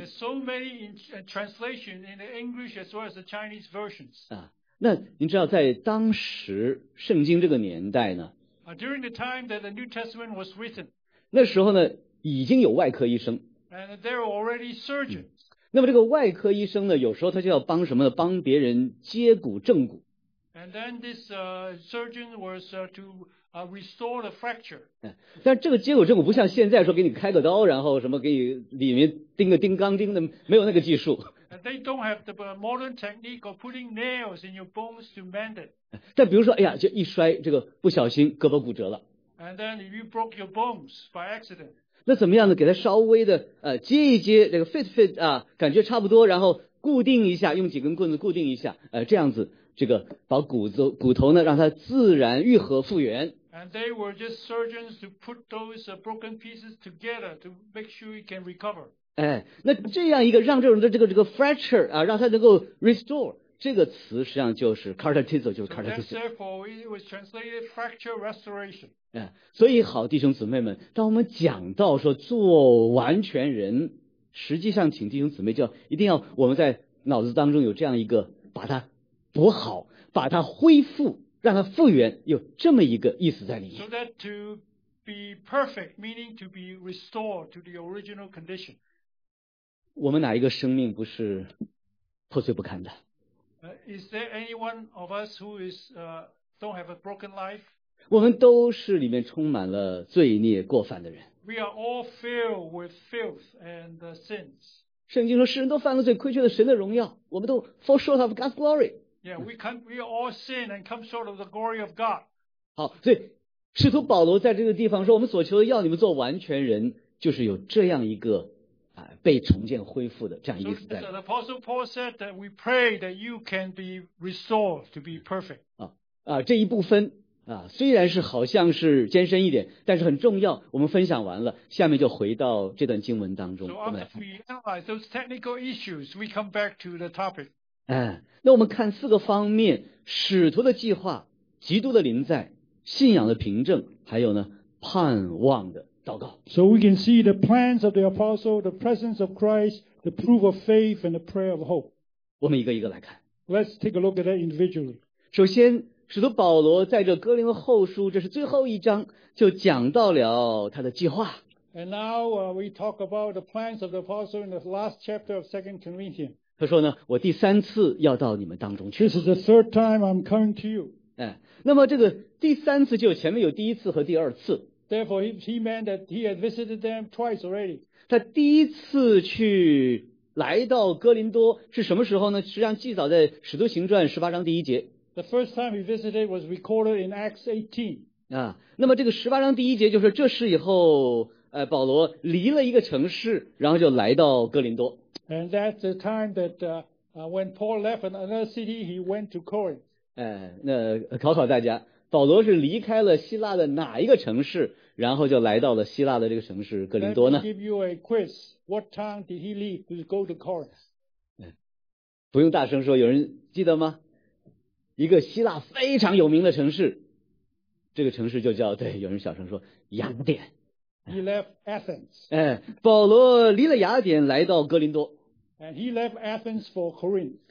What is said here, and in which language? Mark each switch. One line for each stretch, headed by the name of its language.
English: There's so many translation in the English as well as the Chinese versions.
Chinese: 啊，那您知道在当时圣经这个年代呢
English: ？During the time that the New Testament was written.
Chinese: 那时候呢，已经有外科医生。
English: And there were already surgeons.
Chinese: 那么这个外科医生呢，有时候他就要帮什么呢？帮别人接骨正骨。
English: And then this surgeon was to restore the fracture.
Chinese: 但这个接骨正骨不像现在说给你开个刀，然后什么给你里面钉个钉钢钉的，没有那个技术。
English: They don't have the modern technique of putting nails in your bones to mend it.
Chinese: 但比如说，哎呀，就一摔，这个不小心胳膊骨折了。
English: And then if you broke your bones by accident.
Chinese: 那怎么样呢？给他稍微的接一接，这个 fit 啊，感觉差不多，然后固定一下，用几根棍子固定一下，这样子，这个把骨头呢，让它自然愈合复原。
English: And they were just surgeons to put those broken pieces together to make sure it can recover.
Chinese: 哎，那这样一个让这种的这个 fracture 啊，让它能够 restore 这个词，实际上就是 Carter Tissot 就是 Carter Tissot.
English: So therefore, it was translated fracture restoration.
Chinese: 所以好弟兄姊妹们，当我们讲到说做完全人，实际上请弟兄姊妹就一定要我们在脑子当中有这样一个把它补好，把它恢复，让它复原，有这么一个意思在里面。
English: So that to be perfect, meaning to be restored to the original condition.
Chinese: 我们哪一个生命不是破碎不堪的？
English: Is there anyone of us who is don't have a broken life?
Chinese: 我们都是里面充满了罪孽过犯的人。
English: We are all filled with filth and sins.
Chinese: 圣经说世人都犯了罪，亏缺了神的荣耀，我们都
English: fall short of God's glory. Yeah, we all sin and come short of the glory of God.
Chinese: 好，所以使徒保罗在这个地方说，我们所求的要你们做完全人，就是有这样一个被重建恢复的这样意思在。
English: So the Apostle Paul said that we pray that you can be restored to be perfect.
Chinese: 这一部分。虽然是好像是艰深一点，但是很重要。我们分享完了，下面就回到这段经文当中。
English: So after we analyze those technical issues, we come back to the topic.
Chinese: 那我们看四个方面：使徒的计划、基督的临在、信仰的凭证，还有呢盼望的祷告。
English: So we can see the plans of the apostle, the presence of Christ, the proof of faith, and the prayer of hope.
Chinese: 我们一个一个来看。
English: Let's take a look at that individually.
Chinese: 首先。使徒保罗在这哥林多后书，这是最后一章，就讲到了他的计划。
English: And now we talk about the plans of the apostle in the last chapter of 2 Corinthians.
Chinese: 他说呢，我第三次要到你们当中去。
English: This is the third time I'm coming to you.
Chinese: 那么这个第三次就前面有第一次和第二次。
English: Therefore he meant that he had visited them twice already.
Chinese: 他第一次去来到哥林多是什么时候呢？实际上记载在使徒行传十八章第一节。
English: The first time he visited was recorded in Acts 18.
Chinese: 那么这个十八章第一节就是这事以后，保罗离了一个城市，然后就来到哥林多。
English: And that's the time that when Paul left another city, he went to Corinth.
Chinese: 那考考大家，保罗是离开了希腊的哪一个城市，然后就来到了希腊的这个城市哥林多呢
English: ？Let me give you a quiz. What town did he leave to go to Corinth?
Chinese: 不用大声说，有人记得吗？一个希腊非常有名的城市，这个城市就叫，对，有人小声说雅典。
English: He left Athens.
Chinese: 保罗离了雅典来到哥林多。
English: And he left Athens for Corinth.